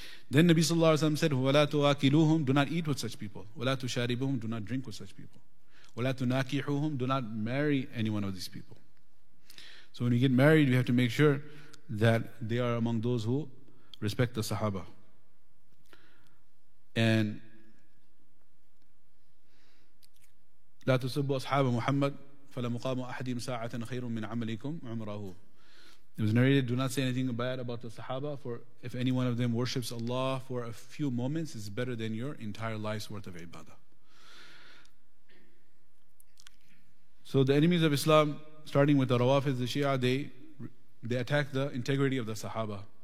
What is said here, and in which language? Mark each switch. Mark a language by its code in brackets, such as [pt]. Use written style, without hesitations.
[en] Then Nabi sallallahu alayhi wa sallam said, [ar] وَلَا تُوَاكِلُوهُمْ. [en] Do not eat with such people. [ar] وَلَا تُشَارِبُهُمْ. [en] Do not drink with such people. [ar] وَلَا تُنَاكِحُوهُمْ. [en] Do not marry any one of these people. So when you get married, we have to make sure that they are among those who respect the Sahaba. And [ar] لا تسبوا أصحاب محمد فلمقام أحدهم ساعة خير من عملكم عمره. [en] It was narrated, do not say anything bad about the Sahaba, for if any one of them worships Allah for a few moments, it's better than your entire life's worth of ibadah. So the enemies of Islam, starting with the Rawafiz, the Shia, they attack the integrity of the Sahaba.